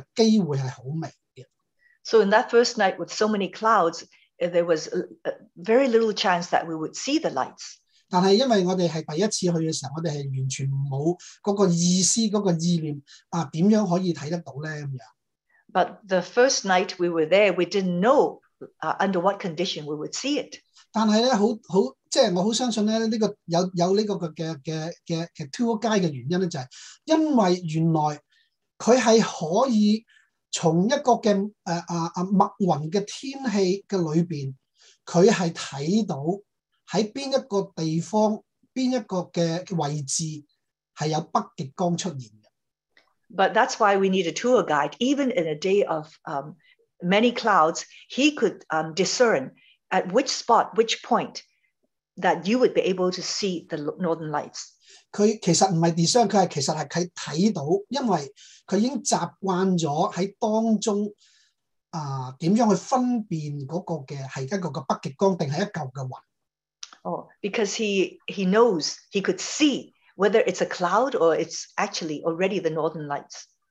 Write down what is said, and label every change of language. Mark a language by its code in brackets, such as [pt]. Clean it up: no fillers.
[zh] 當時在那晚第一晚的裏面,我們默雲的裏面,其實我們看北極光的機會是很微的。So [en] in that first night with so many clouds, there was very little chance that we would see the lights. [zh] 但是因為我們是第一次去的時候,我們是完全沒有那個意思,那個意念,怎樣可以看得到呢? [en] But the first night we were there, we didn't know under what condition we would see it. [zh] 但是我很相信有这个tour guide的原因,因为原来他是可以从一个密云的天气里面,他是看到在哪一个地方哪一个的位置是有北极光出现的。 [en] But that's why we need a tour guide. Even in a day of many clouds, he could discern at which spot, which point that you would be able to see the northern lights. [zh] 他其实不是 discern, 他其实是他看到，因为他已经习惯了在当中怎样去分辨那个的是一个北极光还是一个云。 [en] Oh, because he knows he could see whether it's a cloud or it's actually already the northern lights.